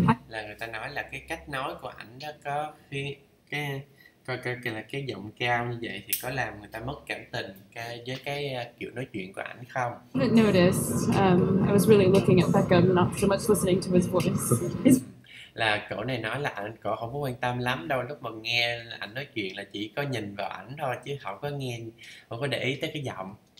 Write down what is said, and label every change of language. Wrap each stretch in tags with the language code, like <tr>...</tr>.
<vi>Là người ta nói là cái cách nói của ảnh đó có khi cái là cái giọng cao như vậy thì có làm người ta mất cảm tình với cái kiểu nói chuyện của ảnh không?</vi> <en>I didn't notice. I was really looking at Beckham, not so much listening to his voice.</en> <vi>Là cậu này nói là anh cậu không có quan tâm lắm đâu, lúc mà nghe ảnh nói chuyện là chỉ có nhìn vào ảnh thôi chứ không có nghe, không có để ý tới cái giọng.</vi>